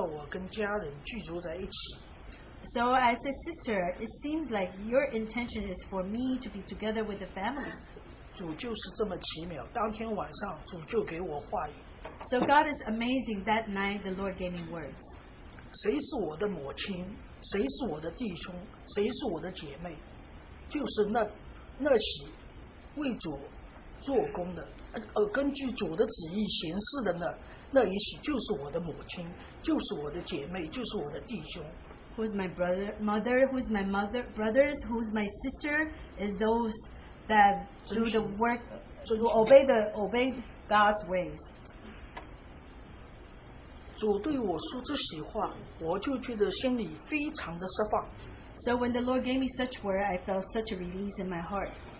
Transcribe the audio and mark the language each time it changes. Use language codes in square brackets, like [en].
[zh] 我说姐姐，你的心是要，好像要叫我跟家人居住在一起。 [en] So I said, sister, it seems like your intention is for me to be together with the family. [zh] 主就是这么奇妙，当天晚上主就给我话语。 [en] So God is amazing. That night, the Lord gave me words. [zh] 谁是我的母亲？谁是我的弟兄？谁是我的姐妹？就是那些为主做工的，根据主的旨意行事的那一些，就是我的母亲，就是我的姐妹，就是我的弟兄。 [en] Who's my brother? Mother? Who's my mother? Brothers? Who's my sister? Is those that do the work, obey God's ways. [zh] 主对我说这些话，我就觉得心里非常的释放。 [en] So when the Lord gave me such word, I felt such a release in my heart.